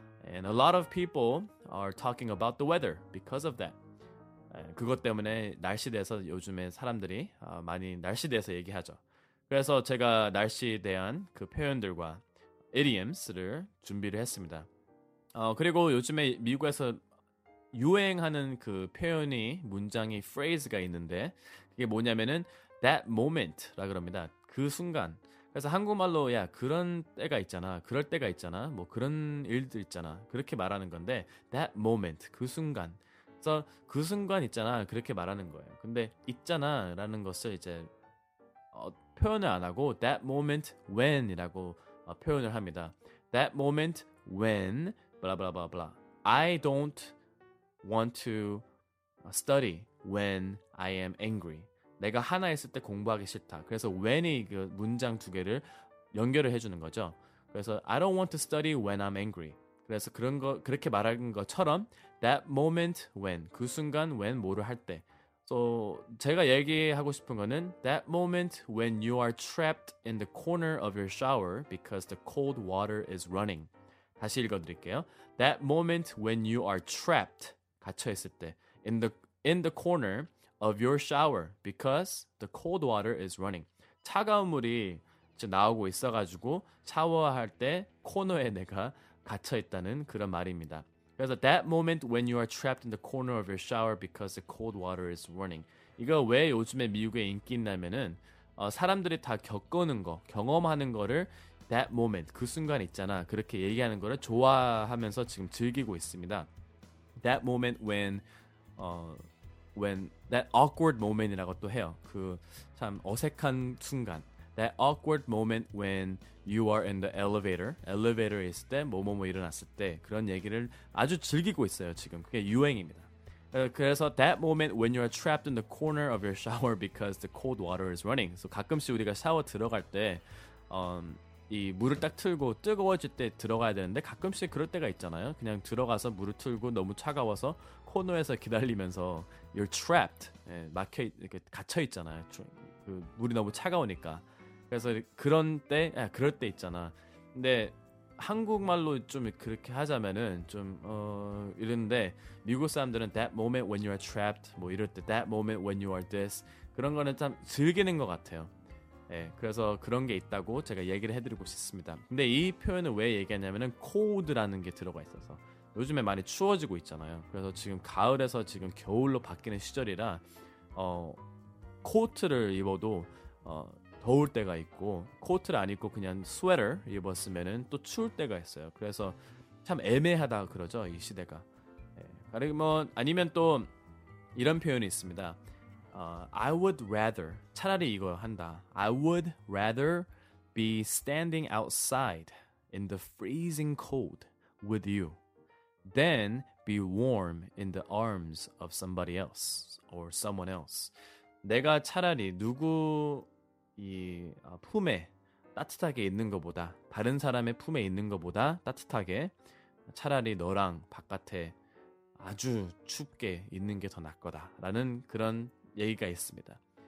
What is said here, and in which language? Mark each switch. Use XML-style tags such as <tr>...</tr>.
<en>And a lot of people are talking about the weather because of that.</en> <ko>그것 때문에 날씨에 대해서 요즘에 사람들이 많이 날씨에 대해서 얘기하죠. 그래서 제가 날씨에 대한 그 표현들과 idioms를 준비를 했습니다. 그리고 요즘에 미국에서 유행하는 그 표현이 문장이 phrase가 있는데 그게 뭐냐면은</ko> <en>that moment</en> <ko>라 그럽니다. 그 순간. 그래서 한국말로 야 그런 때가 있잖아, 그럴 때가 있잖아, 뭐 그런 일들 있잖아 그렇게 말하는 건데</ko> <en>that moment</en> <ko>그 순간, 그래서 그 순간 있잖아 그렇게 말하는 거예요. 근데 있잖아라는 것을 이제 표현을 안 하고</ko> <en>that moment when</en> <ko>이라고 표현을 합니다.</ko> <en>That moment when blah blah blah blah. I don't want to study when I am angry.</en> <ko>내가 하나 했을 때 공부하기 싫다. 그래서 when이 그 문장 두 개를 연결을 해주는 거죠.</ko> <en>그래서 I don't want to study when I'm angry.</en> <ko>그래서 그런 거 그렇게 말하는 것처럼</ko> <en>that moment when</en> <ko>그 순간 when 뭐를 할 때.</ko> <en>So</en> <ko>제가 얘기하고 싶은 거는</ko> <en>that moment when you are trapped in the corner of your shower because the cold water is running.</en> <ko>다시 읽어드릴게요.</ko> <en>That moment when you are trapped</en> <ko>갇혀 있을 때</ko> <en>in the corner. Of your shower because the cold water is running.</en> <ko>차가운 물이 지금 나오고 있어가지고 샤워할 때 코너에 내가 갇혀 있다는 그런 말입니다.</ko> <en>그래서 that moment when you are trapped in the corner of your shower because the cold water is running.</en> <ko>이거 왜 요즘에 미국에 인기 있냐면은 사람들이 다 겪는 거, 경험하는 거를 that moment 그 순간 있잖아 그렇게 얘기하는 거를 좋아하면서 지금 즐기고 있습니다.</ko> <en>That moment when that awkward moment이라고</en> <ko>또 해요. 그 참 어색한 순간.</ko> <en>That awkward moment when you are in the elevator.</en> <ko>Elevator에 있을 때 뭐뭐뭐 일어났을 때 그런 얘기를 아주 즐기고 있어요. 지금 그게 유행입니다. 그래서 that moment when you are trapped in the corner of your shower because the cold water is running. 그래서 가끔씩 우리가 샤워 들어갈 때 이 물을 딱 틀고 뜨거워질 때 들어가야 되는데 가끔씩 그럴 때가 있잖아요. 그냥 들어가서 물을 틀고 너무 차가워서 코너에서 기다리면서</ko> <en>you're trapped.</en> <ko>예, 막혀 이렇게 갇혀 있잖아요. 그 물이 너무 차가우니까. 그래서 그런 때 아, 그럴 때 있잖아. 근데 한국말로 좀 그렇게 하자면은 좀 이런데 미국 사람들은</ko> <en>that moment when you are trapped</en> <ko>뭐 이럴 때</ko> <en>that moment when you are this</en> <ko>그런 거는 참 즐기는 것 같아요. 예, 그래서 그런 게 있다고 제가 얘기를 해 드리고 싶습니다. 근데 이 표현을 왜 얘기하냐면은 cold라는 게 들어가 있어서 요즘에 많이 추워지고 있잖아요. 그래서 지금 가을에서 지금 겨울로 바뀌는 시절이라 코트를 입어도 더울 때가 있고 코트를 안 입고 그냥 스웨터 입었으면은 또 추울 때가 있어요. 그래서 참 애매하다 그러죠, 이 시대가. 네. 아니면 또 이런 표현이 있습니다.</ko> <en>I would rather,</en> <ko>차라리 이거 한다.</ko> <en>I would rather be standing outside in the freezing cold with you than be warm in the arms of somebody else or someone else.</en> <ko>내가 차라리 누구 이 품에 따뜻하게 있는 것보다, 다른 사람의 품에 있는 것보다 따뜻하게 차라리 너랑 바깥에 아주 춥게 있는 게 더 낫거다라는 그런 얘기가 있습니다.</ko>